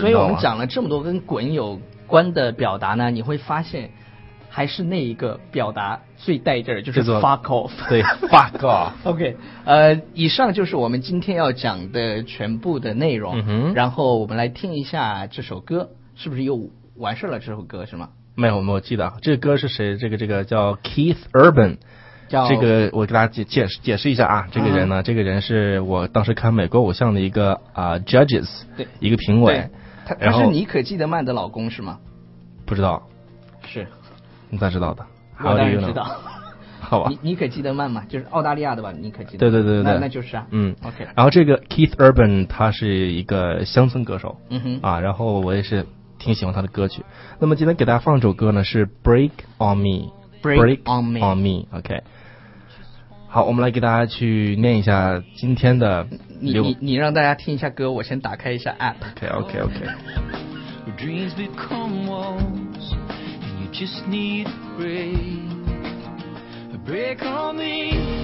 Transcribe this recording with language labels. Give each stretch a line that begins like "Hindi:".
Chinese: 所以我们讲了这么多跟滚有关的表达呢，你会发现还是那一个表达最带劲儿，就是 fuck off。
English: 对 ，fuck off。
Chinese: OK， 以上就是我们今天要讲的全部的内容。嗯哼，然后我们来听一下这首歌，是不是又完事了？这首歌是吗？没有，没有记得这个歌是谁？这个叫 Keith Urban，叫这个我给大家解释一下啊，这个人呢，这个人是我当时看美国偶像的一个judges，对，一个评委。他是妮可基德曼的老公是吗？不知道。是。你咋知道的？我当然知道。好吧。妮可基德曼嘛，就是澳大利亚的吧？妮可基德。对对对对对。那就是啊。嗯。
English: OK。
Chinese: 然后这个 Keith Urban 他是一个乡村歌手。嗯哼。啊，然后我也是。挺喜欢他的歌曲，那么今天给大家放这首歌呢是 Break on Me，
English: Break on Me， on me， OK，
Chinese: 好，我们来给大家去念一下今天的，你让大家听一下歌，我先打开一下 app，
English: OK OK OK。 Your dreams become walls and you just need a break， Break on me，